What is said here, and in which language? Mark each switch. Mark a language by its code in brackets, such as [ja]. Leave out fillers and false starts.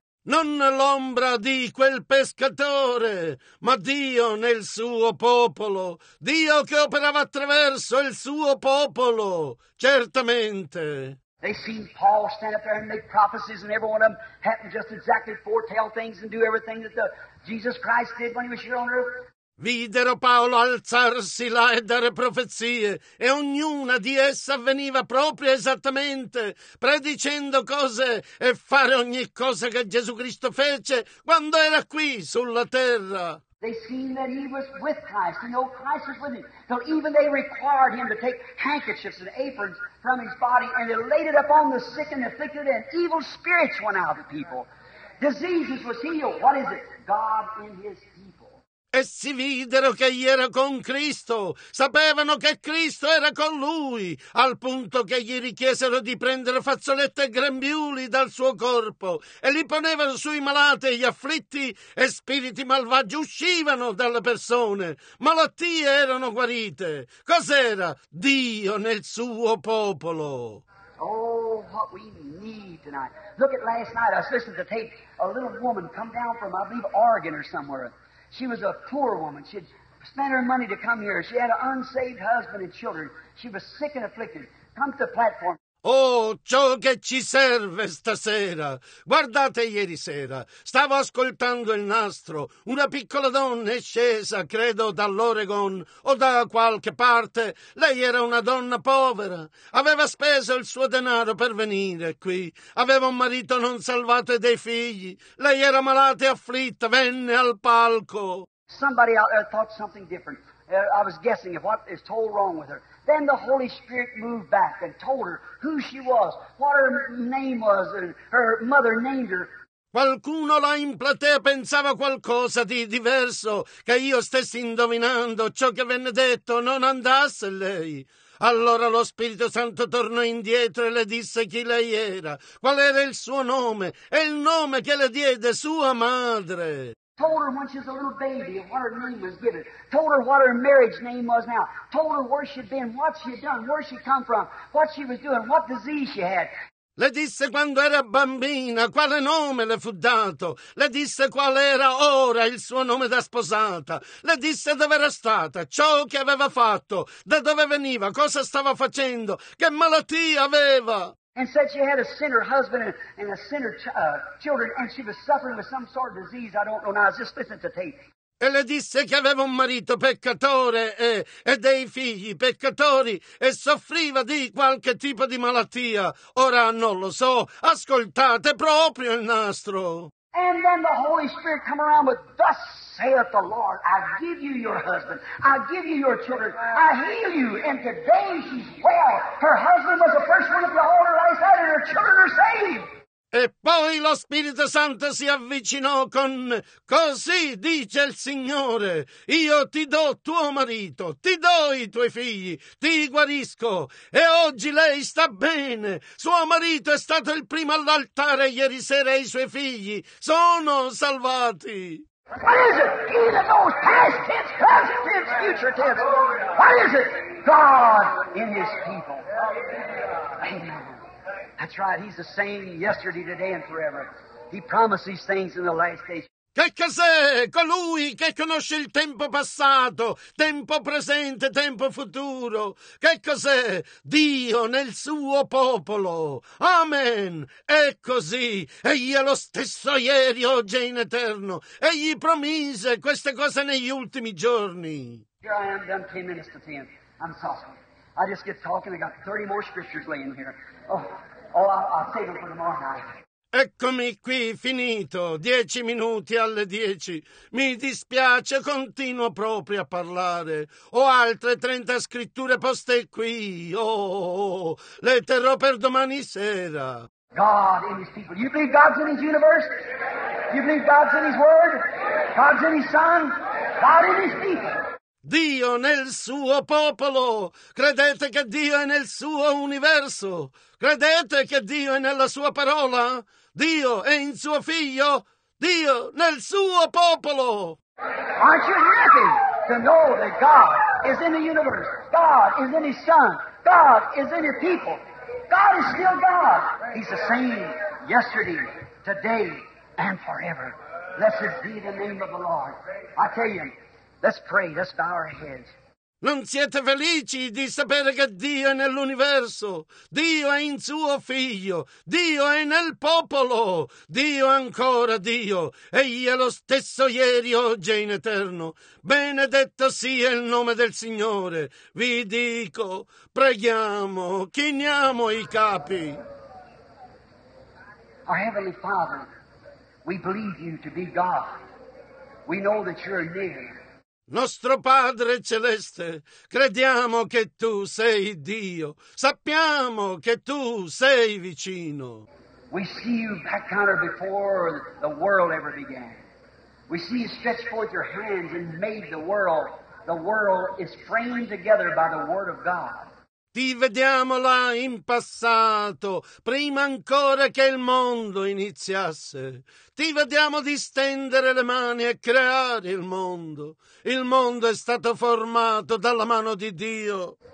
[it] Non l'ombra di quel pescatore, ma Dio nel suo popolo. Dio che operava attraverso il suo popolo, certamente. [en] They seen Paul stand up there and make prophecies and every one of them happen just exactly foretell things and do everything that the Jesus Christ did when he was here on earth. [it] Videro Paolo alzarsi là e dare profezie, e ognuna di esse avveniva proprio esattamente, predicendo cose e fare ogni cosa che Gesù Cristo fece quando era qui sulla terra. [en] They seen that he was with Christ, you know, Christ was with him. So even they required him to take handkerchiefs and aprons from his body, and they laid it upon the sick and afflicted, and evil spirits went out of the people. Diseases was healed. What is it? God in his. [it] Essi videro che egli era con Cristo, sapevano che Cristo era con lui, al punto che gli richiesero di prendere fazzolette e grembiuli dal suo corpo e li ponevano sui malati e gli afflitti, e spiriti malvagi uscivano dalle persone, malattie erano guarite. Cos'era? Dio nel suo popolo. [en] Oh, what we need tonight. Look at last night, I was listening to tape, a little woman come down from, I believe, Oregon or somewhere. She was a poor woman. She had spent her money to come here. She had an unsaved husband and children. She was sick and afflicted. Come to the platform. [it] Oh, ciò che ci serve stasera. Guardate, ieri sera stavo ascoltando il nastro. Una piccola donna è scesa, credo dall'Oregon o da qualche parte. Lei era una donna povera. Aveva speso il suo denaro per venire qui. Aveva un marito non salvato e dei figli. Lei era malata e afflitta. Venne al palco. [en] Somebody out there thought something different. I was guessing if what is told wrong with her. Then the Holy Spirit moved back and told her who she was, what her name was, and her mother named her. [it] Qualcuno là in platea pensava qualcosa di diverso, che io stessi indovinando ciò che venne detto non andasse lei. Allora lo Spirito Santo tornò indietro e le disse chi lei era, qual era il suo nome, e il nome che le diede sua madre. [en] Told her when she was a little baby what her name was given. Told her what her marriage name was now. Told her where she'd been, what she'd done, where she'd come from, what she was doing, what disease she had. [it] Le disse quando era bambina, quale nome le fu dato. Le disse qual era ora il suo nome da sposata. Le disse dove era stata, ciò che aveva fatto, da dove veniva, cosa stava facendo, che malattia aveva. [en] And said she had a sinner husband and a sinner children, and she was suffering with some sort of disease. I don't know now. I was just listening to tape. [it] E le disse che aveva un marito peccatore e dei figli peccatori e soffriva di qualche tipo di malattia. Ora non lo so. Ascoltate proprio il nastro. [en] And then the Holy Spirit come around with, thus saith the Lord, I give you your husband, I give you your children, I heal you, and today she's well. Her husband was the first one to behold her last night, and her children are saved. [it] E poi lo Spirito Santo si avvicinò con, così dice il Signore, io ti do tuo marito, ti do i tuoi figli, ti guarisco, e oggi lei sta bene, suo marito è stato il primo all'altare ieri sera e i suoi figli sono salvati. [en] What is it? He that knows past tense, present tense, future tense. What is it? God in his people. Amen. That's right, he's the same yesterday, today, and forever. He promised these things in the last days. [it] Che cos'è? Colui che conosce il tempo passato, tempo presente, tempo futuro. Che cos'è? Dio nel suo popolo. Amen. È così. Egli è lo stesso ieri, oggi e in eterno. Egli promise queste cose negli ultimi giorni. [en] Here I am, done 10 minutes to 10. I'm sorry. I just get talking, I got 30 more scriptures laying here. Oh. Oh, I'll save them for tomorrow night. [it] Eccomi qui, finito. 10 minuti alle 10. Mi dispiace, continuo proprio a parlare. Ho altre 30 scritture poste qui. Le terrò per domani sera. [en] God in his people. You believe God's in his universe? You believe God's in his word? God's in his son? God in his people. [it] Dio nel suo popolo! Credete che Dio è nel suo universo? Credete che Dio è nella sua parola? Dio è in suo figlio? Dio nel suo popolo! [en] Aren't you happy to know that God is in the universe? God is in his son? God is in his people? God is still God! He's the same yesterday, today, and forever. Blessed be the name of the Lord. I tell you, let's pray, let's bow our heads. [it] Non siete felici di sapere che Dio è nell'universo? Dio è in suo figlio. Dio è nel popolo. Dio è ancora Dio. Egli è lo stesso ieri, oggi e in eterno. Benedetto sia il nome del Signore. Vi dico, preghiamo, chiniamo i capi. [en] Our Heavenly Father, we believe you to be God. We know that you're near. [it] Nostro Padre Celeste, crediamo che tu sei Dio. Sappiamo che tu sei vicino. [en] We see you back counter before the world ever began. We see you stretch forth your hands and made the world. The world is framed together by the word of God. [it] Ti vediamo là in passato, prima ancora che il mondo iniziasse. Ti vediamo distendere le mani e creare il mondo. Il mondo è stato formato dalla mano di Dio.